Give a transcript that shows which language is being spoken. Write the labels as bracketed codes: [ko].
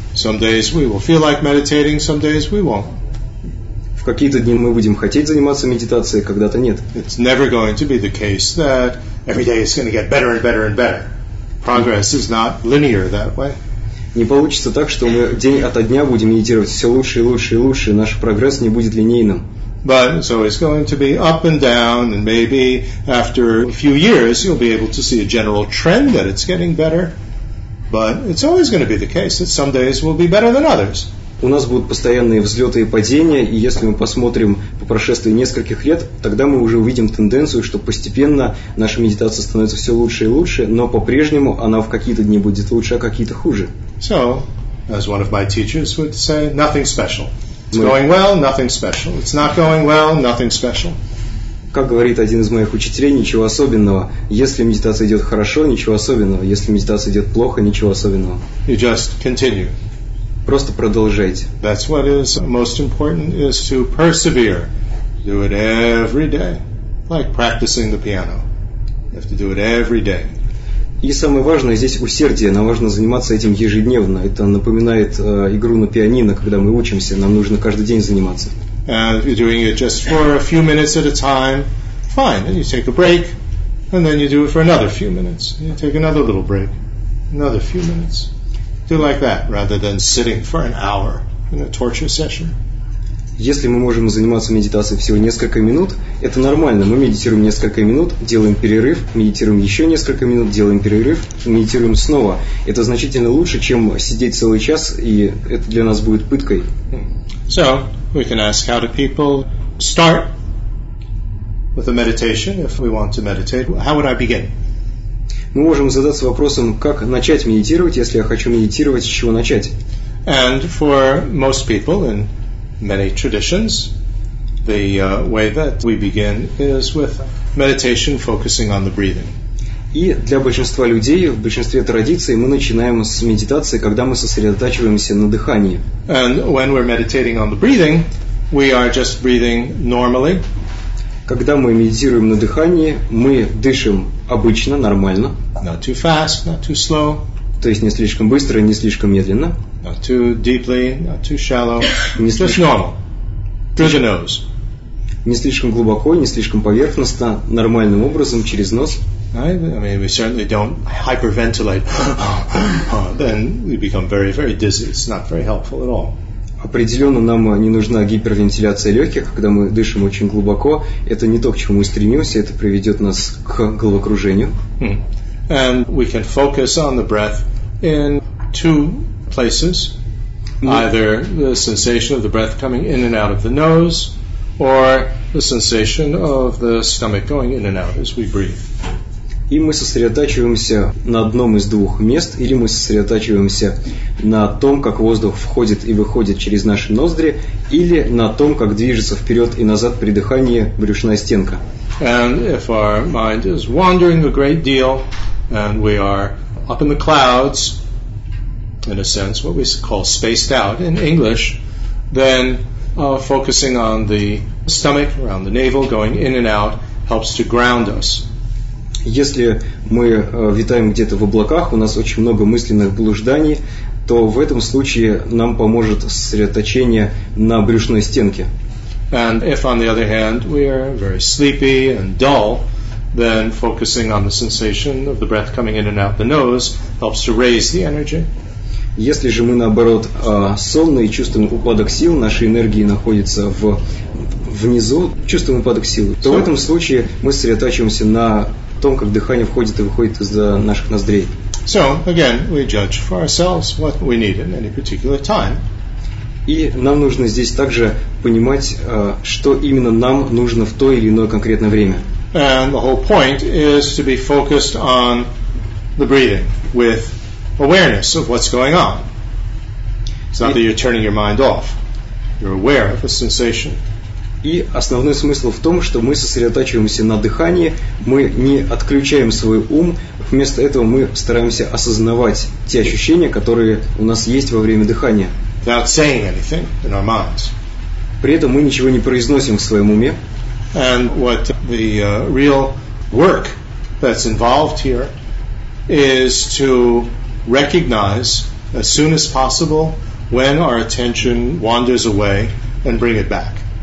[en] Some days we will feel like meditating, some days we won't. [ru] В какие-то дни мы будем хотеть заниматься медитацией, когда-то нет. [en] It's never going to be the case that every day is going to get better and better and better. Progress is not linear that way. [ru] Не получится так, что мы день ото дня будем медитировать все лучше и лучше и лучше, наш прогресс не будет линейным. [en] But so it's going to be up and down, and maybe after a few years you'll be able to see a general trend that it's getting better. But it's always going to be the case that some days will be better than others. [ru] У нас будут постоянные взлеты и падения, и если мы посмотрим по прошествии нескольких лет, тогда мы уже увидим тенденцию, что постепенно наша медитация становится все лучше и лучше, но по-прежнему она в какие-то дни будет лучше, а какие-то хуже. [en] So, as one of my teachers would say, nothing special. It's going well, nothing special. It's not going well, nothing special. [ru] Как говорит один из моих учителей, ничего особенного. Если медитация идет хорошо, ничего особенного. Если медитация идет плохо, ничего особенного. [en] You just continue. [ru] Просто продолжайте. [en] That's what is most important, is to persevere. Do it every day. Like practicing the piano. You have to do it every day. [ru] И самое важное здесь усердие. Нам важно заниматься этим ежедневно. Это напоминает игру на пианино, когда мы учимся. Нам нужно каждый день заниматься. [en] and you're doing it just for a few minutes at a time, fine, then you take a break, and then you do it for another few minutes. You take another little break, another few minutes. Do it like that, rather than sitting for an hour in a torture session. [ru] Если мы можем заниматься медитацией всего несколько минут, это нормально. Мы медитируем несколько минут, делаем перерыв, медитируем еще несколько минут, делаем перерыв, медитируем снова. Это значительно лучше, чем сидеть целый час, и это для нас будет пыткой. [en] So, we can ask how do people start with a meditation if we want to meditate. How would I begin? [ru] Мы можем задаться вопросом, как начать медитировать, если я хочу медитировать, с чего начать? [en] And for most people in many traditions, the way that we begin is with meditation focusing on the breathing. [ru] И для большинства людей, в большинстве традиций, мы начинаем с медитации, когда мы сосредотачиваемся на дыхании. [en] And when we're meditating on the breathing, we are just breathing normally. [ru] Когда мы медитируем на дыхании, мы дышим обычно, нормально. [en] Not too fast, not too slow. [ru] То есть не слишком быстро, не слишком медленно. [en] Not too deeply, not too shallow. Just normal. Through the nose. [ru] Не слишком глубоко, не слишком поверхностно, нормальным образом, через нос. [en] I mean, we certainly don't hyperventilate. Then we become very, very dizzy. It's not very helpful at all. [ru] Определенно нам не нужна гипервентиляция легких, когда мы дышим очень глубоко. Это не то, к чему мы стремимся, это приведет нас к головокружению. [en] And we can focus on the breath in two places. Either the sensation of the breath coming in and out of the nose, or the sensation of the stomach going in and out as we breathe. [ru] И мы сосредотачиваемся на одном из двух мест, или мы сосредотачиваемся на том, как воздух входит и выходит через наши ноздри, или на том, как движется вперед и назад при дыхании брюшная стенка. [en] And if our mind is wandering a great deal, and we are up in the clouds, in a sense, what we call spaced out in English, then focusing on the stomach, around the navel, going in and out, helps to ground us. [ru] Если мы витаем где-то в облаках, у нас очень много мысленных блужданий, то в этом случае нам поможет сосредоточение на брюшной стенке. [en] And if, on the other hand, we are very sleepy and dull, then focusing on the sensation of the breath coming in and out the nose helps to raise the energy. [ru] Если же мы, наоборот, сонные, чувствуем упадок сил, наши энергии находятся внизу, чувствуем упадок сил, то в этом случае мы сосредотачиваемся на том, как дыхание входит и выходит из наших ноздрей. [en] So, again, we judge for ourselves what we need in any particular time. [ru] И нам нужно здесь также понимать, что именно нам нужно в то или иное конкретное время. [en] And the whole point is to be focused on the breathing with awareness of what's going on. It's not that you're turning your mind off. You're aware of the sensation. [ru] И основной смысл в том, что мы сосредотачиваемся на дыхании, мы не отключаем свой ум, вместо этого мы стараемся осознавать те ощущения, которые у нас есть во время дыхания. [en] Without saying anything in our minds. [ru] При этом мы ничего не произносим в своем уме. [en] And what the real work that's involved here is to recognize as soon as possible when our attention wanders away and bring it back.